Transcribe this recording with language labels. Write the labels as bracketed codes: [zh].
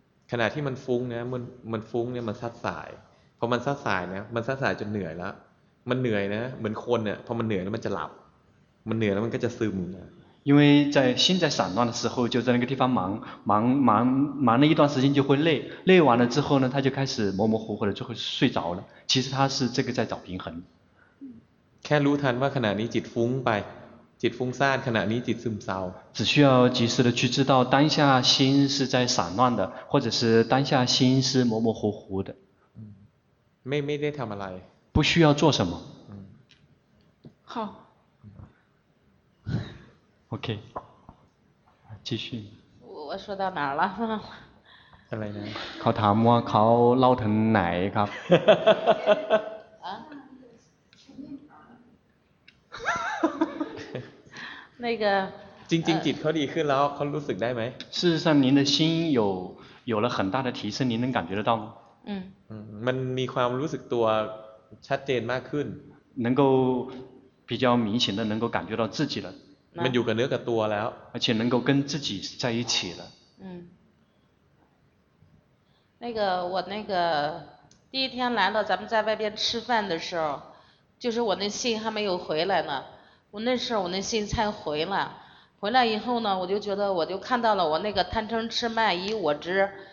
[th] ขณะที่มันฟุ้งเนี่ยมันฟุ้งเนี่ยมันซัดสายพอมันซัดสายเนี่ยมันซัดสายจนเหนื่อยแล้วมันเหนื่อยนะเหมือนคนเนี่ยพอมันเหนื่อยแล้วมันจะหลับมันเหนื่อยแล้วมันก็จะซึมนะ [zh] 因为在心在散乱的时候就在那个地方忙了一段时间就会累完了之后呢他就开始模模糊糊的就会睡着了其实他是这个在找平衡 [th] แค่รู้ทันว่าขณะนี้จิตฟุ้งไปจิตฟุ้งซ่านขณะนี้จิตซึมเศร้า [zh] 只需要及时的去知道当下心是在散乱的或者是当下心是模模糊糊的 [th] ไม่ได้ทำอะไร [zh] 不需要做什么好 OK 继续我说到哪了 [th] อะไรนะ เขาถามว่าเขาเล่าถึงไหนครับ [zh] 那个 [th] จริงจริงจิตเขาดีขึ้นแล้วเขารู้สึกได้ไหม [zh] 事实上您的心有了很大的提升您能感觉得到吗嗯 [th] มันมีความรู้สึกตัวชัดเจนมากขึ้น [zh] 能够比较明显的能够感觉到自己了 [th] มันอยู่กับเนื้อกับตัวแล้ว [zh] 而且能够跟自己在一起了嗯那个我那个第一天来了咱们在外边吃饭的时候就是我那信还没有回来呢我那时候我那信才回来回来以后呢我就觉得我就看到了我那个贪嗔痴慢疑我执